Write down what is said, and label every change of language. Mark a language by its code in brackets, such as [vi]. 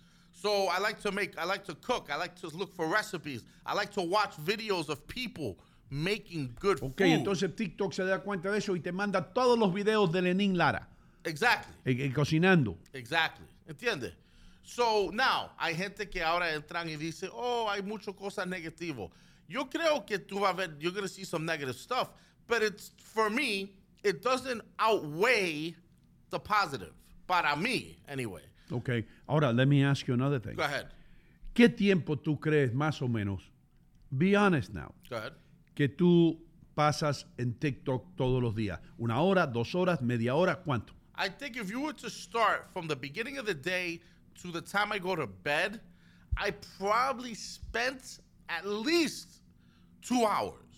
[en] So I like to make, I like to cook, I like to look for recipes, I like to watch videos of people making good food. [es] Okay, entonces TikTok se da cuenta de eso y te manda todos los videos de Lenín Lara. [en] Exactly. [es] Y cocinando. [en] Exactly. [es] ¿Entiendes? So now, hay gente que ahora entran y dice, oh, hay mucho cosa negativo. Yo creo que tú vas a ver, [en] you're going to see some negative stuff, but it's, for me, it doesn't outweigh the positive. [es] Para mí, [en] anyway. Okay. [es] Ahora, [en] let me ask you another thing. Go ahead. [es] ¿Qué tiempo tú crees, más o menos? [en] Be honest now. Go ahead. [es] Que tú pasas en TikTok todos los días. ¿Una hora, dos horas, media hora, cuánto? [en] I think if you were to start from the beginning of the day to the time I go to bed, I probably spent at least 2 hours.